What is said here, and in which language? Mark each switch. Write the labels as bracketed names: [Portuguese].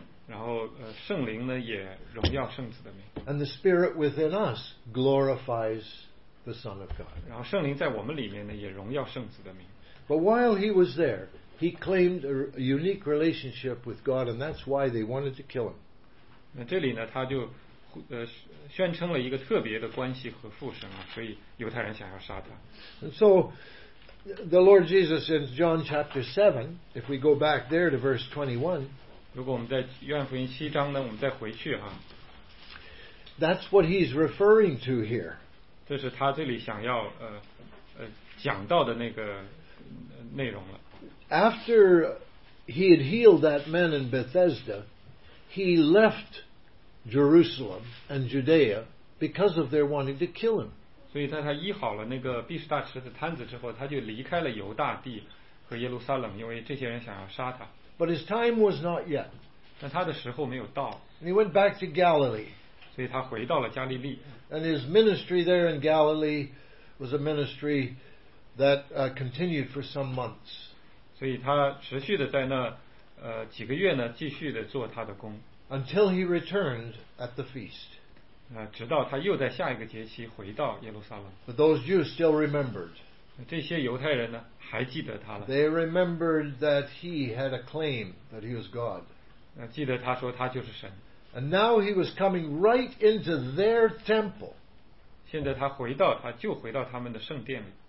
[Chinese] 然后圣灵呢也荣耀圣子的名。 [English] And the Spirit within us glorifies the Son of God. [Chinese] 然后圣灵在我们里面呢也荣耀圣子的名。 [English] But while he was there, he claimed a unique relationship with God, and that's why they wanted to kill him. [Chinese] 那这里呢他就宣称了一个特别的关系和父神啊，所以犹太人想要杀他。 [English] And so, the Lord Jesus in John chapter 7, if we go back there to verse 21, [Chinese] 如果我们在约翰福音七章呢，我们再回去哈。 [English] That's what he's referring to here. [Chinese] 这是他这里想要讲到的那个内容了。 [English] After he had healed that man in Bethesda, he left Jerusalem and Judea because of their wanting to kill him. [Chinese] 所以在他医好了那个毕士大池的摊子之后，他就离开了犹大地和耶路撒冷，因为这些人想要杀他。 [English] But his time was not yet. [Chinese] 但他的时候没有到。 [English] And he went back to Galilee. [Chinese] 所以他回到了加利利。 [English] And his ministry there in Galilee was a ministry that continued for some months. [Chinese] 所以他持续的在那几个月呢，继续的做他的工。 [English] Until he returned at the feast. [Chinese] 直到他又在下一个节期回到耶路撒冷。 [English] But those Jews still remembered. [Chinese] 这些犹太人呢，还记得他了。 [English] They remembered that he had a claim that he was God. [Chinese] 记得他说他就是神。 [English] And now he was coming right into their temple. [Chinese] 现在他回到，他就回到他们的圣殿里。